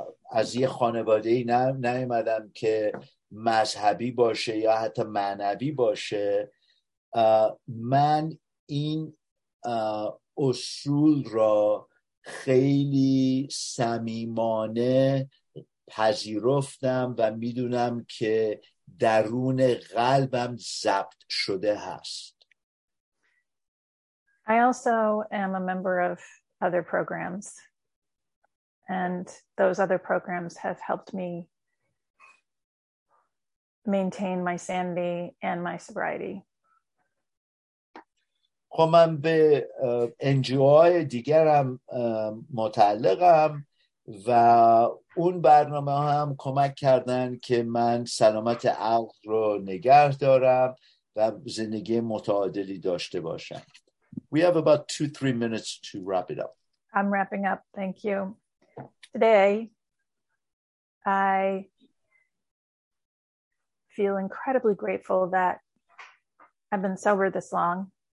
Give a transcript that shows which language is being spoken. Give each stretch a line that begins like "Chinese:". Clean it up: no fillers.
Persian: از یه خانواده‌ای نیومدم که مذهبی باشه یا حتی معنوی باشه، من این اصول را خیلی صمیمانه پذیرفتم و میدونم که درون قلبم ضبط شده هست.
English: I also am a member of other programs, and those other programs have helped me maintain my sanity and my sobriety.
Persian: خب من به NGO دیگرم متعلقم و اون برنامه ها هم کمک کردن که من سلامت عقل رو نگه دارم و زندگی متعادلی داشته باشم.
English: We have about 2-3 minutes to wrap it up. I'm wrapping up. Thank you. Today, I feel incredibly grateful that I've been sober this long.